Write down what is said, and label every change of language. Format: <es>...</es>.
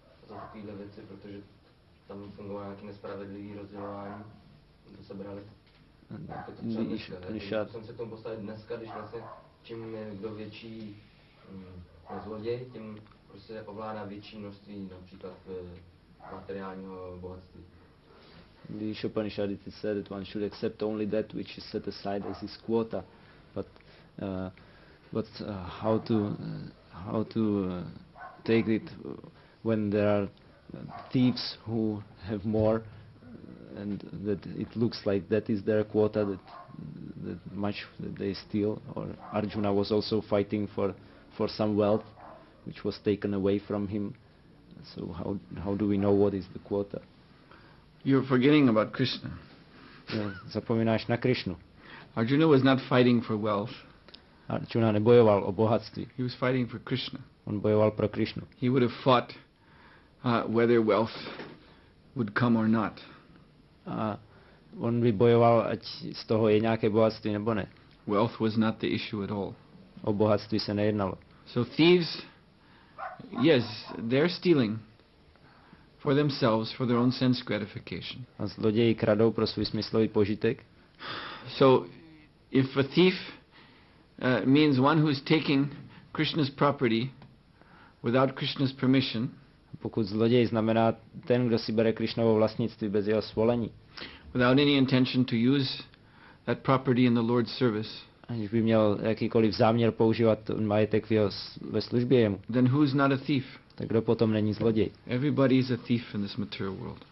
<cs>Za takovýhle věci, protože tam fungovalo nějaký nespravedlivý rozdělování, to se brali. Jak to třeba dneska, ne? Jak jsem se k tomu postavit dneska, když vlastně čím je kdo větší zloděj, tím prostě ovládá větší množství například materiálního bohatství.</cs> <en>The Upanishad it is said that one should accept only that which is set aside as his quota, but how to take it when there are thieves who have more, and that it looks like that is their quota, that much that they steal. Or Arjuna was also fighting for some wealth which was taken away from him, so how do we know what is the quota? You're forgetting about Krishna.</en> <cs>Zapomínáš na Krishnu.</cs> <en>Arjuna was not fighting for wealth.</en> <cs>Arjuna nebojoval o bohatství.</cs> <en>He was fighting for Krishna.</en> <cs>On bojoval pro Krishnu.</cs> <en>He would have fought whether wealth would come or not.</en> <cs>On by bojoval, ať z toho je nějaké bohatství nebo ne.</cs> <en>Wealth was not the issue at all.</en> <cs>O bohatství se nejednalo.</cs> <en>So thieves, yes, they're stealing for themselves, for their own sense gratification.</en> <cs>A zloději kradou pro svůj smyslový požitek.</cs> <en>So if a thief means one who is taking Krishna's property without Krishna's permission,</en> <cs>pokud zloděj znamená ten, kdo si bere Krishnovo vlastnictví bez jeho svolení,</cs> <en>without any intention to use that property in the Lord's service,</en> <cs>aniž by měl jakýkoliv záměr používat ten majetek ve službě jemu,</cs> <en>then who is not a thief?</en> <cs>Tak kdo potom není zloděj?</cs> <en>Everybody is a thief in this material world.</en>